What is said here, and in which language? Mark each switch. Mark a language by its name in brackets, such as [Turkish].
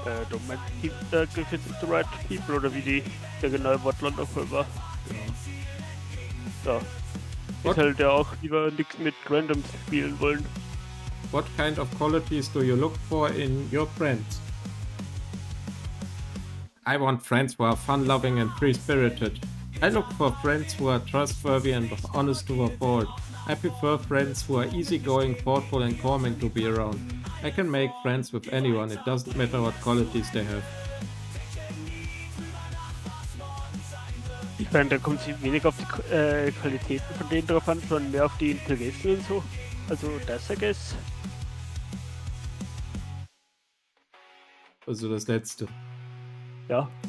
[English] Don't mind if it's the right people, [German] oder wie der genaue Wortlaut noch war. Ja. Ich hätte ja auch lieber nichts mit Randoms spielen wollen. [English] What kind of qualities do you look for in your friends? I want friends who are fun-loving and free-spirited. I look for friends who are trustworthy and honest to a fault. I prefer friends who are easygoing, thoughtful and calming to be around. I can make friends with anyone, it doesn't matter what qualities they have. [German] Ich meine, da kommt es weniger auf die Qualitäten von denen drauf an, sondern mehr auf die Interessen und so. Also das, [English] I guess. [German] Also das Letzte. Ja.